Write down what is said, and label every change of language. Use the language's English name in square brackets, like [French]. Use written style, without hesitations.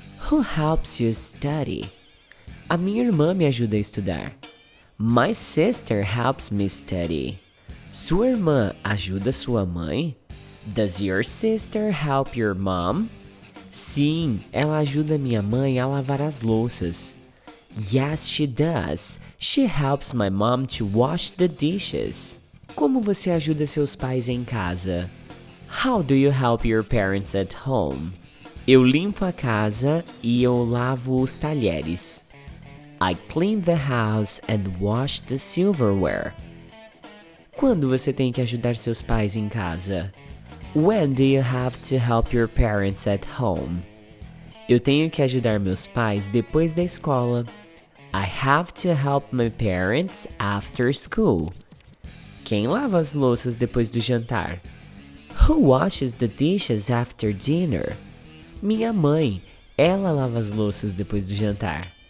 [English] Who helps you study? [Portuguese] A minha irmã me ajuda a estudar. [English] My sister helps me study. [Portuguese] Sua irmã ajuda sua mãe? [English] Does your sister help your mom? [Portuguese] Sim, ela ajuda minha mãe a lavar as louças. [English] Yes, she does. She helps my mom to wash the dishes. [Portuguese] Como você ajuda seus pais em casa? [English] How do you help your parents at home? [Portuguese] Eu limpo a casa e eu lavo os talheres. [English] I clean the house and wash the silverware. [Portuguese] Quando você tem que ajudar seus pais em casa? [English] When do you have to help your parents at home? [Portuguese] Eu tenho que ajudar meus pais depois da escola. [English] I have to help my parents after school. [Portuguese] Quem lava as louças depois do jantar? [English] Who washes the dishes after dinner? [Portuguese] Minha mãe, ela lava as louças depois do jantar.